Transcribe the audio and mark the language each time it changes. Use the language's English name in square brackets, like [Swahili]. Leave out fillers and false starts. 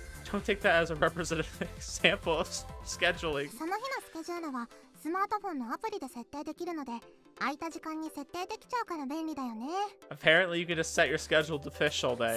[English] Don't take that as a representative example of scheduling. [Japanese] その日のスケジュールはスマートフォンのアプリで設定できるので、空いた時間に設定できちゃうから便利だよね。 [English] Apparently, you can just set your schedule to fish all day.